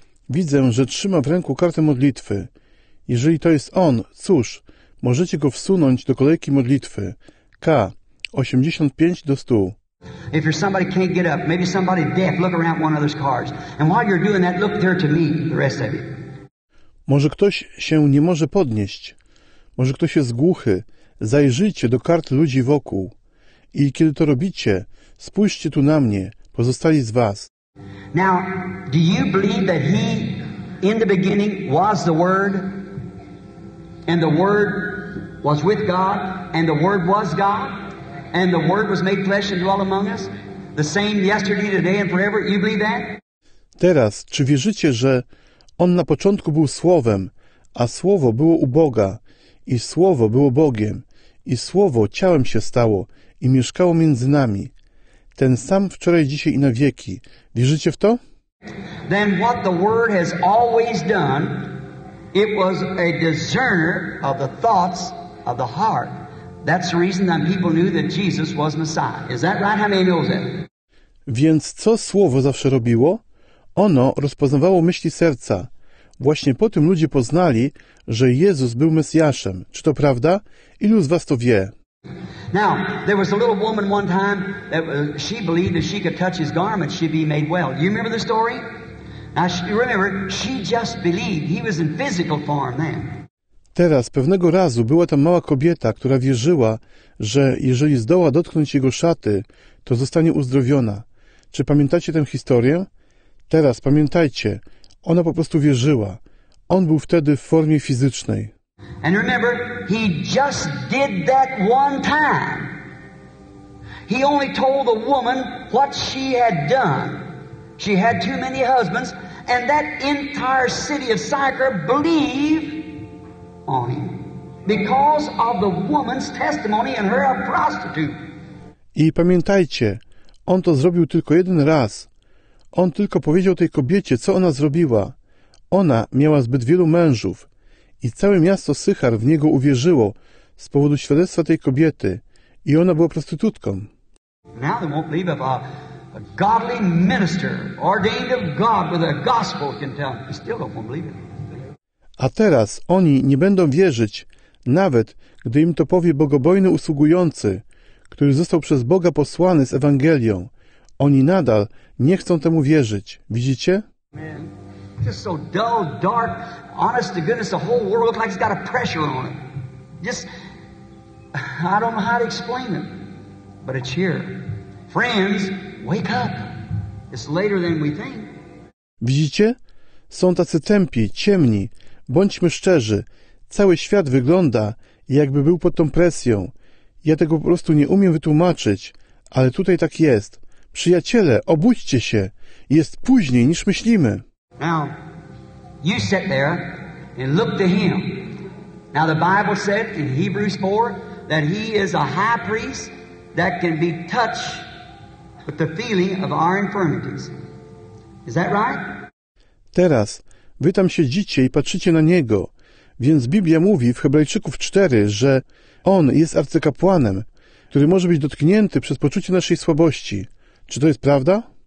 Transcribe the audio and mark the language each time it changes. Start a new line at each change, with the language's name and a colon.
Polish: Widzę, że trzyma w ręku kartę modlitwy. Jeżeli to jest on, cóż, możecie go wsunąć do kolejki modlitwy. K. 85 do 100.
English: If you're somebody can't get up, maybe somebody deaf, look around one other's cards. And while you're doing that, look there to me, the rest of you.
Polish: Może ktoś się nie może podnieść. Może ktoś jest głuchy. Zajrzyjcie do kart ludzi wokół. I kiedy to robicie, spójrzcie tu na mnie, pozostali z was.
English: Now, do you believe that he, in the beginning, was the Word? And the Word was with God? And the Word was God? And the Word was made flesh and dwelt among us? The same yesterday, today and forever? You believe that?
Polish: Teraz, czy wierzycie, że On na początku był Słowem, a Słowo było u Boga, i Słowo było Bogiem, i Słowo ciałem się stało i mieszkało między nami. Ten sam wczoraj, dzisiaj i na wieki. Wierzycie w to?
English: Then what the Word has always done, it was a discerner of the thoughts of the heart. That's the reason that people knew that Jesus was Messiah. Is that right? How many knows that?
Polish: Więc co Słowo zawsze robiło? Ono rozpoznawało myśli serca. Właśnie po tym ludzie poznali, że Jezus był Mesjaszem. Czy to prawda? Ilu z was to wie?
English: Now, there was a little woman one time that she believed that she could touch his garment, she'd be made well. You remember the story? Now, she just believed. He was in physical form then.
Polish: Teraz, pewnego razu, była tam mała kobieta, która wierzyła, że jeżeli zdoła dotknąć jego szaty, to zostanie uzdrowiona. Czy pamiętacie tę historię? Teraz pamiętajcie, ona po prostu wierzyła. On był wtedy w formie fizycznej.
English: And remember, he just did that one time. He only told the woman what she had done. She had too many husbands, and that entire city of Sychar believed on him because of the woman's testimony and her a prostitute.
Polish: I pamiętajcie, on to zrobił tylko jeden raz. On tylko powiedział tej kobiecie, co ona zrobiła. Ona miała zbyt wielu mężów i całe miasto Sychar w niego uwierzyło z powodu świadectwa tej kobiety i ona była prostytutką.
English: Now they won't believe if a godly minister ordained of God with a gospel can tell. They still don't believe it.
Polish: A teraz oni nie będą wierzyć, nawet gdy im to powie bogobojny usługujący, który został przez Boga posłany z Ewangelią. Oni nadal nie chcą temu wierzyć. Widzicie?
English: Just so dull, dark, honest to goodness, the whole world looks like it's got a pressure on it. Just, I don't know how to explain it, but it's here. Friends, wake up. It's later than we think.
Polish: Widzicie? Są tacy tępi, ciemni. Bądźmy szczerzy. Cały świat wygląda, jakby był pod tą presją. Ja tego po prostu nie umiem wytłumaczyć, ale tutaj tak jest. Przyjaciele, obudźcie się. Jest później niż myślimy.
English: Now, you sit there and look to him. Now the Bible said in Hebrews 4 that he is a high priest that can be touched with the feeling of our infirmities. Is that right?
Polish: Teraz wy tam siedzicie i patrzycie na Niego. Więc Biblia mówi w Hebrajczyków 4, że On jest arcykapłanem, który może być dotknięty przez poczucie naszej słabości. Czy to jest prawda?